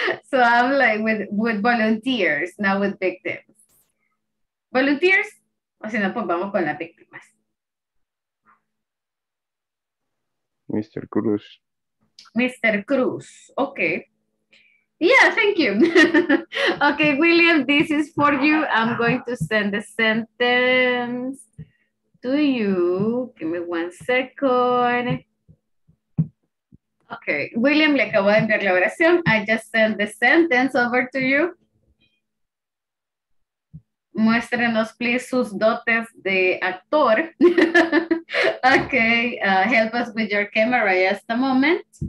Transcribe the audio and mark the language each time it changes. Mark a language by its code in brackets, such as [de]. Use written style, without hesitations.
[en] So I'm like with volunteers, not with victims. [es] Volunteers, o si no, pues vamos con las víctimas. [en] Mr. Cruz. Mr. Cruz, okay. Yeah, thank you. Okay, William, this is for you. I'm going to send the sentence to you. Give me one second. [es] Okay, William, le acabo de enviar la oración. [en] I just sent the sentence over to you. [es] Muéstrenos, please, sus dotes de actor. [en] Okay, help us with your camera just a moment.